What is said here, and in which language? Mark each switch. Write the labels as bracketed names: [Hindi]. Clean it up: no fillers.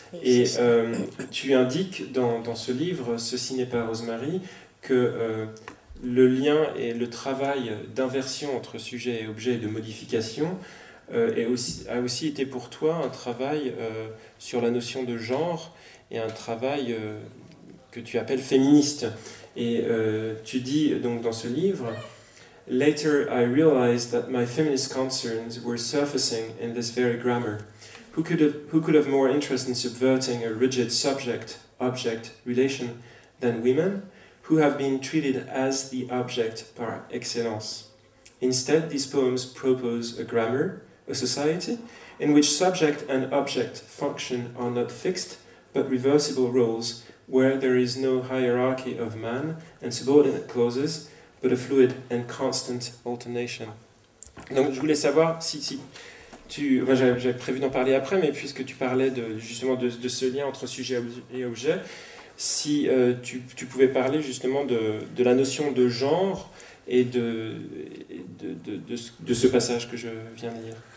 [French] Et tu indiques dans ce livre, Ceci n'est pas Rosemary, que le lien et le travail d'inversion entre sujet et objet et de modification a aussi été pour toi un travail sur la notion de genre et un travail que tu appelles féministe. Et tu dis donc dans ce livre, [English] Later, I realized that my feminist concerns were surfacing in this very grammar. Who could have more interest in subverting a rigid subject-object relation than women, who have been treated as the object par excellence? Instead, these poems propose a grammar, a society, in which subject and object function are not fixed, but reversible roles, where there is no hierarchy of man and subordinate clauses, but a fluid and constant alternation. [French] Donc je voulais savoir si tu... Enfin, j'avais prévu d'en parler après, mais puisque tu parlais justement de ce lien entre sujet et objet, si tu pouvais parler justement de la notion de genre et de ce passage que je viens de lire.